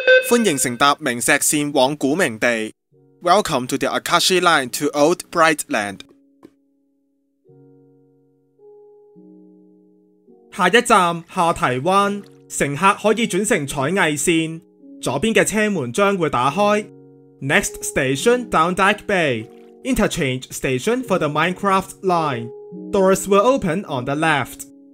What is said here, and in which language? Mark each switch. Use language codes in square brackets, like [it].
[zh] 欢迎乘搭明石线往古明地。 [en] Welcome to the Akashi Line to Old Brightland. [zh] 下一站下堤湾，乘客可以转乘彩艺线，左边的车门将会打开。 [en] Next station, Downdike Bay. Interchange station for the Minecraft line. Doors will open on the left.